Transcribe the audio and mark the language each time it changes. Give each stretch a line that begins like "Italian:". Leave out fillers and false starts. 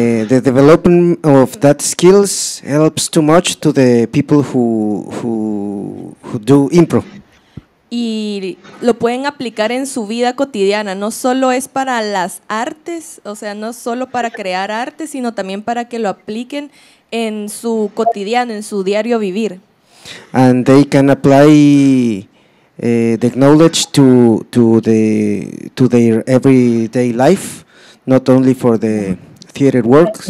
English: The development of that skills helps too much to the people who do improv.
Spanish: Y lo pueden aplicar en su vida cotidiana, no solo es para las artes, o sea, no solo para crear arte, sino también para que lo apliquen en su cotidiano, en su diario vivir.
English: And they can apply the knowledge to their everyday life, not only for the theater works.